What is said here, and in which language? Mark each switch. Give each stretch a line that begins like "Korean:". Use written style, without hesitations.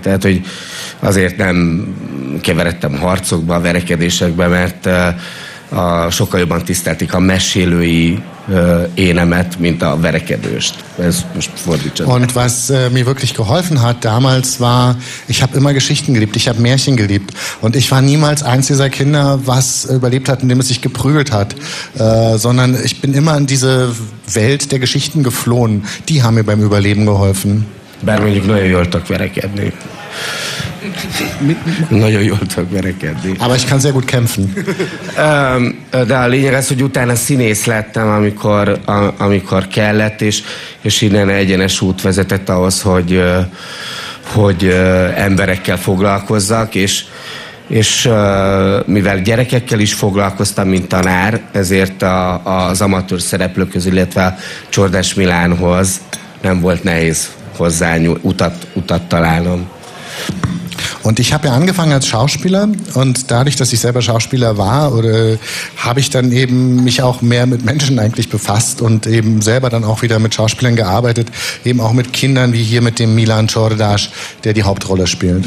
Hungarian: Tehát, hogy azért nem keveredtem harcokba, verekedésekbe, mert sokkal jobban tisztelték a mesélői énemet, mint a verekedőst. Ez most fordítsa.
German: Und was mir wirklich geholfen hat damals war, ich habe immer Geschichten geliebt, ich habe Märchen geliebt und ich war niemals eins dieser Kinder, was überlebt hat, indem es sich geprügelt hat, sondern ich bin immer in diese Welt der Geschichten geflohen. Die haben mir beim Überleben geholfen.
Hungarian: Bár mondjuk nagyon jól tudok verekedni. Nagyon jól tudok verekedni.
German: Aber ich kann sehr gut kämpfen.
Hungarian: De a lényeg az, hogy utána színész lettem, amikor kellett, és innen egyenes út vezetett ahhoz, hogy emberekkel foglalkozzak, és mivel gyerekekkel is foglalkoztam, mint tanár, ezért az amatőr szereplők közül, illetve Csordás Milánhoz nem volt nehéz hozzányúl, utat találom.
German: Und ich habe ja angefangen als Schauspieler und dadurch, dass ich selber Schauspieler war, oder habe ich dann eben mich auch mehr mit Menschen eigentlich befasst und eben selber dann auch wieder mit Schauspielern gearbeitet, eben auch mit Kindern, wie hier mit dem Milan Ćordaš, der die Hauptrolle spielt.